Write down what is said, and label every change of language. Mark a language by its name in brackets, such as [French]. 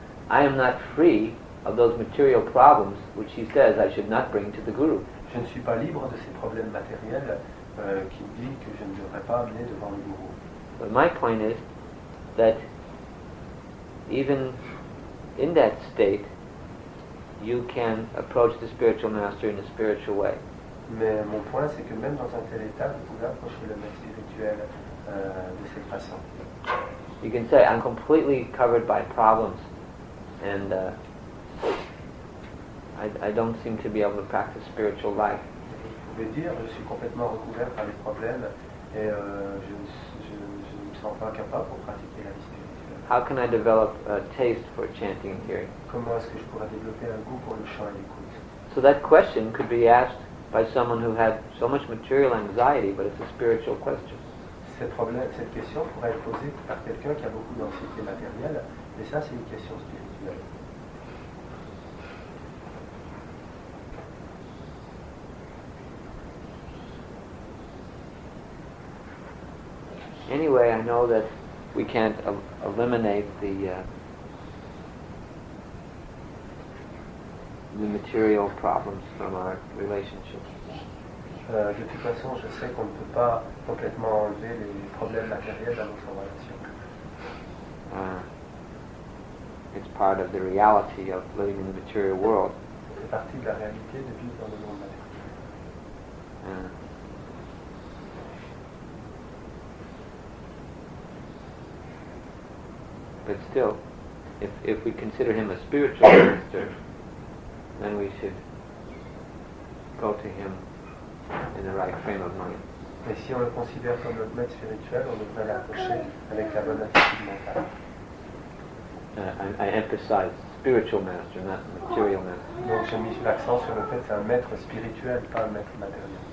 [English] I am not free of those material problems which he says I should not bring to the guru. [French] Je ne suis pas libre de ces problèmes matériels qui me dit que je ne devrais pas amener devant le guru. [English] But my point is that even in that state you can approach the spiritual master in a spiritual way. [French] Mais mon point c'est que même dans un tel état vous pouvez approcher le maître spirituel de cette façon. [English] You can say I'm completely covered by problems and I don't seem to be able to practice spiritual life. [French] Vous pouvez dire je suis complètement recouvert par les problèmes et je ne me sens pas capable pour pratiquer la vie spirituelle. [English] How can I develop a taste for chanting and hearing? [French] Comment est-ce que je pourrais développer un goût pour le chant et l'écoute? [English] So that question could be asked by someone who had so much material anxiety, but it's a spiritual question. [French] Cette question pourrait être posée par quelqu'un qui a beaucoup d'anxiété matérielle, mais ça c'est une question spirituelle. [English] Anyway, I know that we can't eliminate the material problems from our relationships. [French] De toute façon, je sais qu'on ne peut pas complètement enlever les problèmes matériels dans notre relation. [English] It's part of the reality of living in the material world. [French] C'est partie de la réalité de vivre dans le monde matériel. [English] But still, if we consider him a spiritual minister, then we should go to him in the right frame of mind. [French] Mais si on le considère comme notre maître spirituel, on devrait l'approcher avec la bonne attitude mentale. [English] I emphasize spiritual master, not material master. [French] Donc j'ai mis l'accent sur le fait que c'est un maître spirituel, pas un maître matériel.